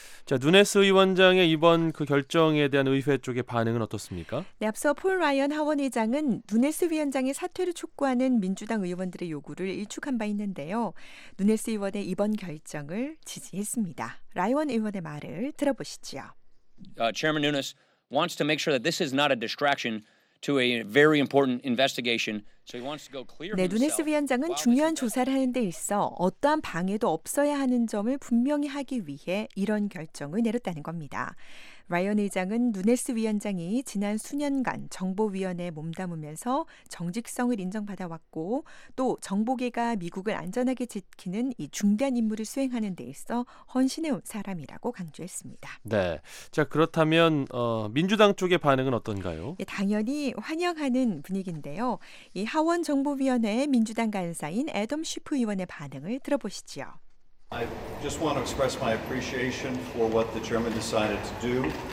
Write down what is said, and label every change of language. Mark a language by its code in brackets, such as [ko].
[ko] 자, 누네스 의원장의 이번 그 결정에 대한 의회 쪽의 반응은 어떻습니까? 네, 앞서 폴 라이언 하원 의장은 누네스 위원장의 사퇴를 촉구하는 민주당 의원들의 요구를 일축한 바 있는데요. 누네스 의원의 이번 결정을 지지했습니다. 라이언 의원의 말을 들어보시죠. [en] Chairman Nunes wants to make sure that this is not a distraction to a very important investigation. So he wants to go clear. [ko] 네, 누네스 위원장은 중요한 조사를 하는 데 있어 어떠한 방해도 없어야 하는 점을 분명히 하기 위해 이런 결정을 내렸다는 겁니다. 라이언 의장은 누네스 위원장이 지난 수년간 정보위원회에 몸담으면서 정직성을 인정받아왔고 또 정보계가 미국을 안전하게 지키는 이 중대한 임무를 수행하는 데 있어 헌신해온 사람이라고 강조했습니다. 네, 자 그렇다면 민주당 쪽의 반응은 어떤가요? 예, 당연히 환영하는 분위기인데요. 이 하원 정보위원회의 민주당 간사인 애덤 슈프 의원의 반응을 들어보시죠. [en] I just want to express my appreciation for what the chairman decided to do.